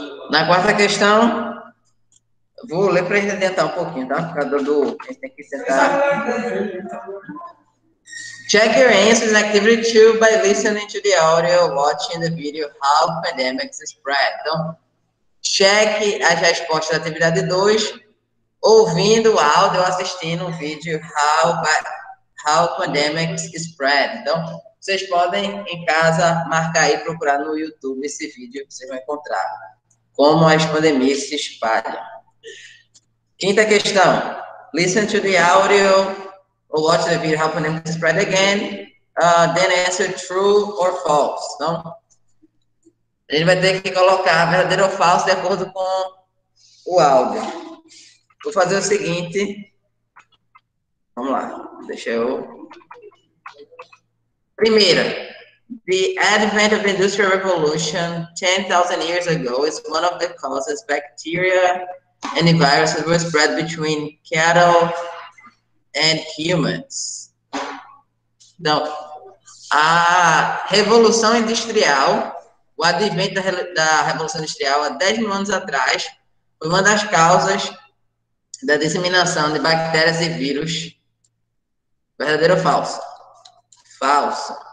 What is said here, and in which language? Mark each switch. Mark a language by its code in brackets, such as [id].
[pt] Na quarta questão, vou ler para a gente adiantar um pouquinho, tá? Por causa do... A gente tem que sentar. [en] Check your answers in activity 2 by listening to the audio, watching the video, how pandemics spread. Então, [pt] Cheque as respostas da atividade 2, ouvindo o áudio ou assistindo o vídeo How Pandemic Spread. Então, vocês podem, em casa, marcar aí, procurar no YouTube esse vídeo, que vocês vão encontrar como as pandemias se espalham. Quinta questão. [en] Listen to the audio or watch the video How Pandemic Spread again. Then answer true or false. [pt] Então, a gente vai ter que colocar verdadeiro ou falso de acordo com o áudio. Vou fazer o seguinte. Vamos lá. Deixa eu... Primeira. [en] The advent of the Industrial Revolution 10,000 years ago is one of the causes bacteria and the viruses were spread between cattle and humans. [pt] Então, a Revolução Industrial, o advento da Revolução Industrial há 10 mil anos atrás, foi uma das causas da disseminação de bactérias e vírus. Verdadeiro ou falso? Falso.